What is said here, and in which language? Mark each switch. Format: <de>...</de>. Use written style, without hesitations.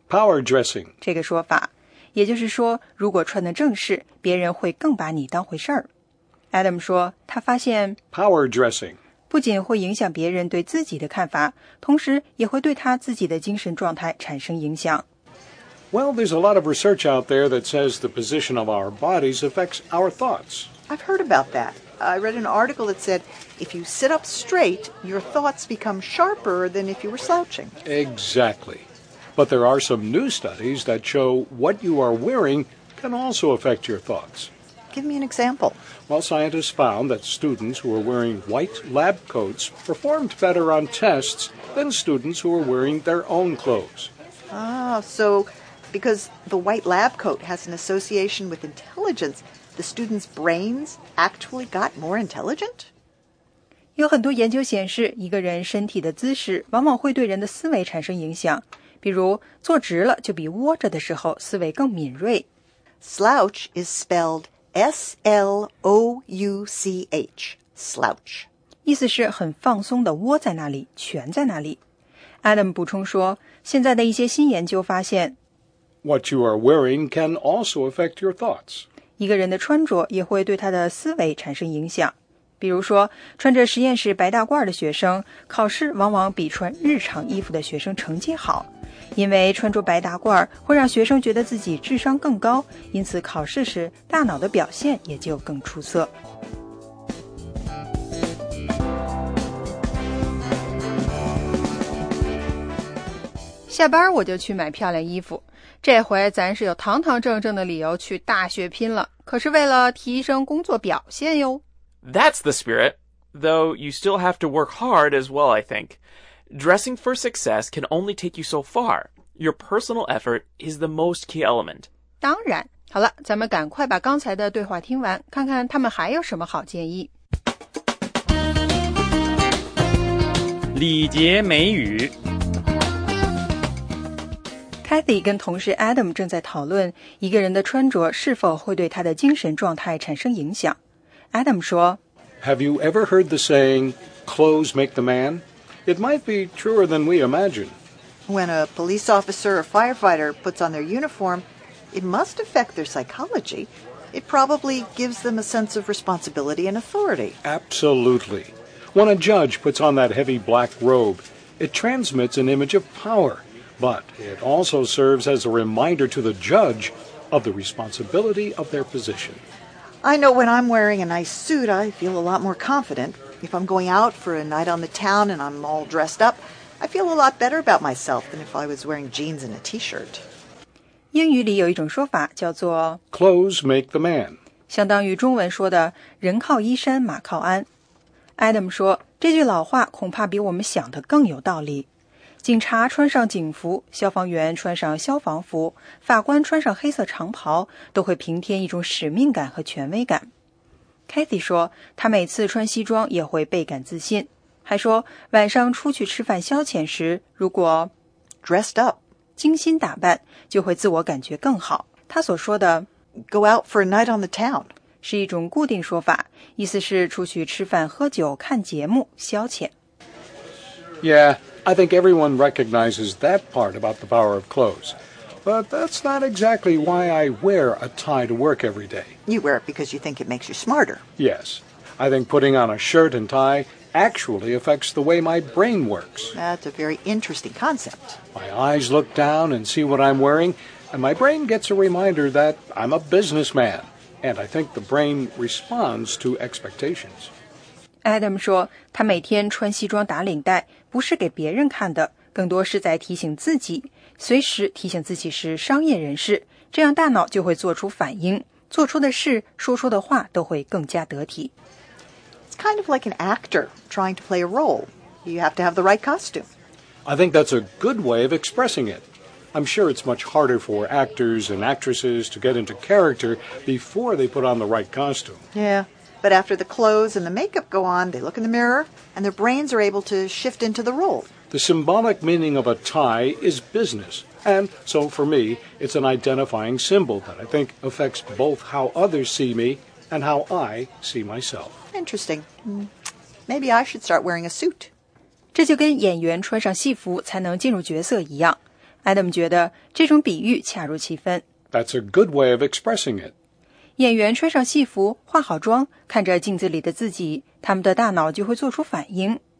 <en>power dressing</en> <zh>这个说法，也就是说，如果穿得正式，别人会更把你当回事儿。 Adam 说，他发现</zh> <en>power dressing.</en> <zh>不仅会影响别人对自己的看法，同时也会对他自己的精神状态产生影响。</zh> <en>Well, there's a lot of research out there that says the position of our bodies affects our thoughts. I've heard about that. I read an article that said, if you sit up straight, your thoughts become sharper than if you were slouching. Exactly. But there are some new studies that show what you are wearing can also affect your thoughts. Give me an example. Well, scientists found that students who were wearing white lab coats performed better on tests than students who were wearing their own clothes. Ah, so because the white lab coat has an association with intelligence, the students' brains actually got more intelligent?</en> <zh>有很多研究显示，一个人身体的姿势往往会对人的思维产生影响。比如，坐直了就比窝着的时候思维更敏锐。</zh> <en>Slouch is spelled S-L-O-U-C-H, slouch.</en> <zh>意思是很放松地窝在那里，蜷在那里。 Adam 补充说，现在的一些新研究发现</zh> <en>What you are wearing can also affect your thoughts.</en> <zh>一个人的穿着也会对他的思维产生影响。比如说，穿着实验室白大褂的学生，考试往往比穿日常衣服的学生成绩好，因为穿着白大褂会让学生觉得自己智商更高，因此考试时大脑的表现也就更出色。下班我就去买漂亮衣服，这回咱是有堂堂正正的理由去大血拼了，可是为了提升工作表现哟。</zh> <en>That's the spirit, though you still have to work hard as well, I think. Dressing for success can only take you so far. Your personal effort is the most key element.</en> <zh>当然。好了，咱们赶快把刚才的对话听完，看看他们还有什么好建议。礼节美语。 Kathy 跟同事 Adam 正在讨论一个人的穿着是否会对他的精神状态产生影响。Adam 说</zh> <en>Have you ever heard the saying, clothes make the man? It might be truer than we imagine. When a police officer or firefighter puts on their uniform, it must affect their psychology. It probably gives them a sense of responsibility and authority. Absolutely. When a judge puts on that heavy black robe, it transmits an image of power, but it also serves as a reminder to the judge of the responsibility of their position. I know when I'm wearing a nice suit, I feel a lot more confident. If I'm going out for a night on the town and I'm all dressed up, I feel a lot better about myself than if I was wearing jeans and a t-shirt.</en> <zh>英语里有一种说法叫做</zh> <en>Clothes make the man.</en> <zh>相当于中文说的人靠衣衫马靠鞍。Adam 说这句老话恐怕比我们想的更有道理。警察穿上警服，消防员穿上消防服，法官穿上黑色长袍，都会平添一种使命感和权威感。 Kathy 说，她每次穿西装也会倍感自信，还说晚上出去吃饭消遣时，如果</zh> <en>dressed up</en> <zh>精心打扮，就会自我感觉更好。她所说的</zh> <en>go out for a night on the town</en> <zh>是一种固定说法，意思是出去吃饭、喝酒、看节目、消遣。</zh> <en>Yeah. I think everyone recognizes that part about the power of clothes. But that's not exactly why I wear a tie to work every day. You wear it because you think it makes you smarter. Yes. I think putting on a shirt and tie actually affects the way my brain works. That's a very interesting concept. My eyes look down and see what I'm wearing, and my brain gets a reminder that I'm a businessman. And I think the brain responds to expectations.</en> <zh>Adam 说他每天穿西装打领带不是给别人看的，更多是在提醒自己，随时提醒自己是商业人士，这样大脑就会做出反应，做出的事说出的话都会更加得体。</zh> <en>It's kind of like an actor trying to play a role. You have to have the right costume. I think that's a good way of expressing it. I'm sure it's much harder for actors and actresses to get into character before they put on the right costume. Yeah. But after the clothes and the makeup go on, they look in the mirror, and their brains are able to shift into the role. The symbolic meaning of a tie is business. And so for me, it's an identifying symbol that I think affects both how others see me and how I see myself. Interesting. Maybe I should start wearing a suit.</en> <zh>这就跟演员穿上戏服才能进入角色一样。 Adam 觉得这种比喻恰如其分。</zh> <en>That's a good way of expressing it.</en> <zh>演员穿上戏服，化好妆，看着镜子里的自己，他们的大脑就会做出反应。</zh>